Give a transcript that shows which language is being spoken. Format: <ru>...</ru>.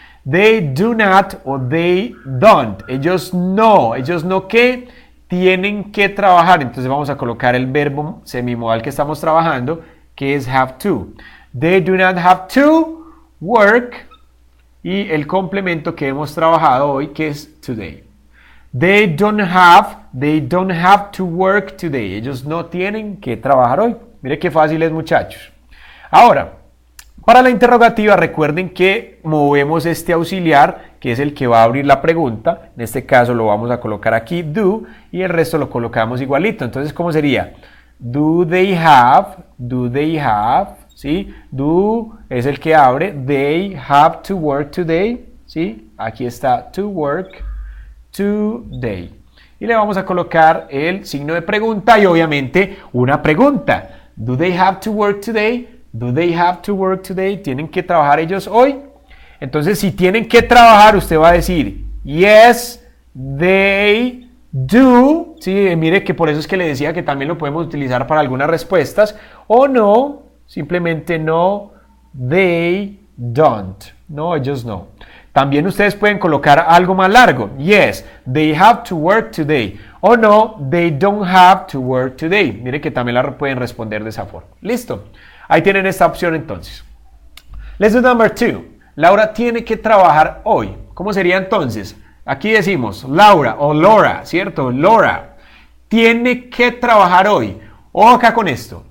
<en>They do not o they don't.</en> <es>Ellos no. ¿Ellos no qué? Tienen que trabajar. Entonces vamos a colocar el verbo semimodal que estamos trabajando, que es have to.</es> <en>They do not have to work.</en> <es>Y el complemento que hemos trabajado hoy, que es today.</es> <en>They don't have to work today.</en> <es>Ellos no tienen que trabajar hoy. Mire qué fácil es, muchachos. Ahora, para la interrogativa, recuerden que movemos este auxiliar, que es el que va a abrir la pregunta. En este caso lo vamos a colocar aquí, do, y el resto lo colocamos igualito. Entonces, ¿cómo sería?</es> <en>Do they have, ¿sí? Do</en> <es>es el que abre,</es> <en>they have to work today, ¿sí?</en> <es>Aquí está,</es> <en>to work today.</en> <es>Y le vamos a colocar el signo de pregunta y obviamente una pregunta.</es> <en>Do they have to work today? Do they have to work today?</en> <es>¿Tienen que trabajar ellos hoy? Entonces, si tienen que trabajar, usted va a decir,</es> <en>yes, they do.</en> <es>Sí, mire que por eso es que le decía que también lo podemos utilizar para algunas respuestas. O no, simplemente no,</es> <en>they don't.</en> <es>No, ellos no. También ustedes pueden colocar algo más largo.</es> <en>Yes, they have to work today.</en> <es>O no,</es> <en>they don't have to work today.</en> <es>Mire que también la pueden responder de esa forma. Listo. Ahí tienen esta opción entonces.</es> <en>Let's do number two.</en> <es>Laura tiene que trabajar hoy. ¿Cómo sería entonces? Aquí decimos Laura o Laura, ¿cierto? Laura tiene que trabajar hoy. Ojo acá con esto.</es>